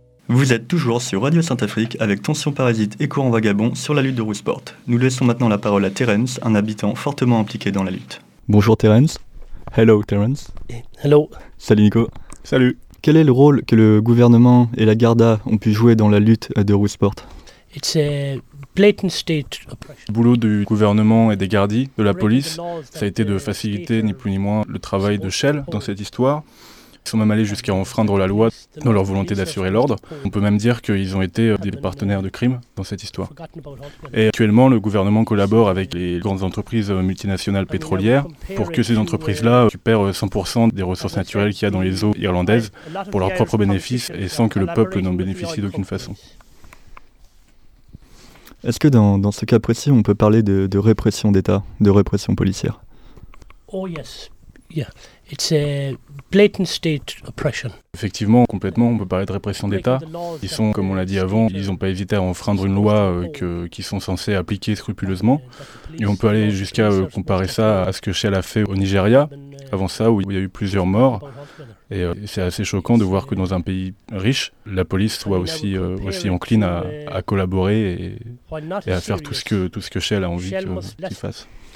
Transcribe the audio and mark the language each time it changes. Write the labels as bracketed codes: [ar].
[fr] Vous êtes toujours sur Radio Saint-Afrique avec Tension Parasite et Courant Vagabond sur la lutte de Roosport. Nous laissons maintenant la parole à Terence, un habitant fortement impliqué dans la lutte. Bonjour Terence. [en] Hello Terence. Hello. [fr] Salut Nico. Salut. Quel est le rôle que le gouvernement et la Garda ont pu jouer dans la lutte de Roosport? [en] It's a blatant state oppression. [fr] Le boulot du gouvernement et des gardis, de la police, ça a été de faciliter ni plus ni moins le travail de Shell dans cette histoire. Ils sont même allés jusqu'à enfreindre la loi dans leur volonté d'assurer l'ordre. On peut même dire qu'ils ont été des partenaires de crime dans cette histoire. Et actuellement, le gouvernement collabore avec les grandes entreprises multinationales pétrolières pour que ces entreprises-là récupèrent 100% des ressources naturelles qu'il y a dans les eaux irlandaises pour leur propre bénéfice et sans que le peuple n'en bénéficie d'aucune façon. Est-ce que dans ce cas précis, on peut parler de répression d'État, de répression policière? [en] Oh, yes. Yeah. It's a blatant state oppression. [fr] Effectivement, complètement, on peut parler de répression d'État. Ils sont, comme on l'a dit avant, ils n'ont pas hésité à enfreindre une loi qu'ils sont censés appliquer scrupuleusement. Et on peut aller jusqu'à comparer ça à ce que Shell a fait au Nigeria, avant ça, où il y a eu plusieurs morts. Et c'est assez choquant de voir que dans un pays riche, la police soit aussi encline à collaborer et à faire tout ce que Shell a envie qu'il fasse.